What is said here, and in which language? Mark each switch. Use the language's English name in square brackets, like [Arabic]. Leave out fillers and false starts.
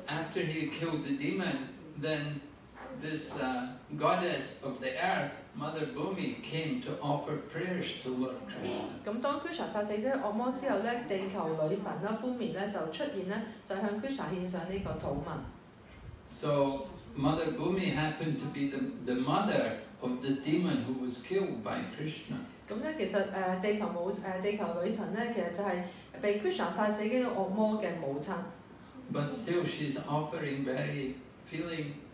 [English] after he killed the demon, then this goddess of the earth, Mother Bhumi, came to offer prayers to Lord Krishna. [Cantonese] 咁當 Krishna 殺死咗惡魔之後咧，地球女神啦，Bhumi咧就出現咧，就向 Krishna 獻上呢個土物。So [English] Mother Bhumi happened to be the mother of the demon who was killed by Krishna. [Cantonese] 咁咧，其實地球女神咧，其實就係被 Krishna 殺死嘅惡魔嘅母親。But [English] still, she's offering very feeling.